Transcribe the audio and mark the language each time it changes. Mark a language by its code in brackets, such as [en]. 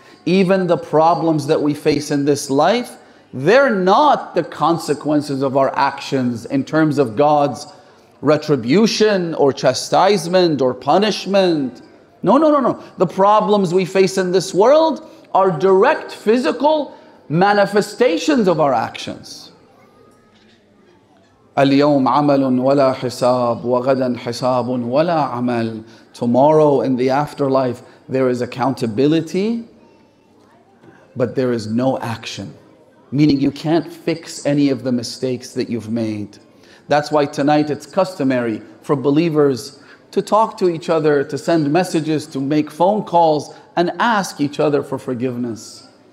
[en] Even the problems that we face in this life, they're not the consequences of our actions in terms of God's retribution or chastisement or punishment. No. The problems we face in this world are direct physical manifestations of our actions. [ar] اليوم عمل ولا حساب وغدا حساب ولا عمل. [en] Tomorrow in the afterlife there is accountability, but there is no action. Meaning you can't fix any of the mistakes that you've made. That's why tonight it's customary for believers to talk to each other, to send messages, to make phone calls, and ask each other for forgiveness.